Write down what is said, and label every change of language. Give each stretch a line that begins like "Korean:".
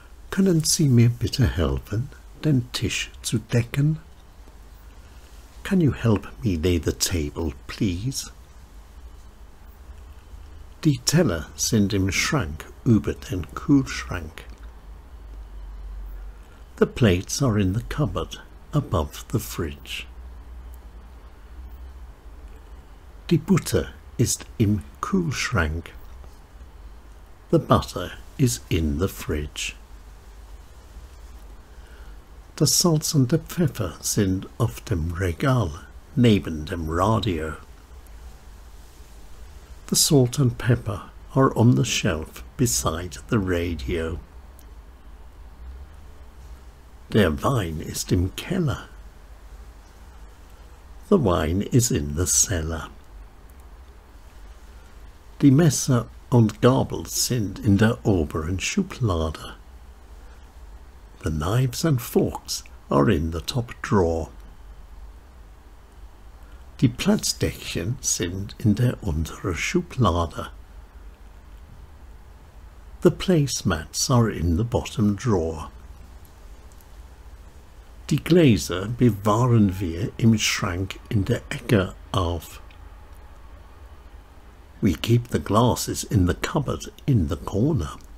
German: Können Sie mir bitte helfen, den Tisch zu decken?
English: Can you help me lay the table, please?
German: Die Teller sind im Schrank über den Kühlschrank.
English: The plates are in the cupboard above the fridge.
German: Die Butter ist im Kühlschrank.
English: The butter is in the fridge.
German: Das Salz und der Pfeffer sind auf dem Regal neben dem Radio.
English: The salt and pepper are on the shelf beside the radio.
German: Der Wein ist im Keller.
English: The wine is in the cellar.
German: Die Messer und Gabel sind in der oberen Schublade.
English: The knives and forks are in the top drawer.
German: Die Platzdeckchen sind in der unteren Schublade.
English: The placemats are in the bottom drawer.
German: Die Gläser bewahren wir im Schrank in der Ecke auf.
English: We keep the glasses in the cupboard in the corner.